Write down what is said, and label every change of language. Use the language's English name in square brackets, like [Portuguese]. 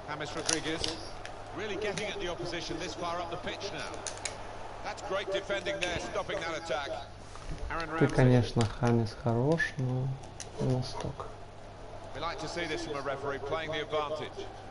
[English] James Rodriguez really getting at the opposition this far up the pitch now. That's great defending there, stopping that attack. [Russian] Ты, конечно, Хамис хорош, но не настолько. [English] We like to see this from a referee playing the advantage.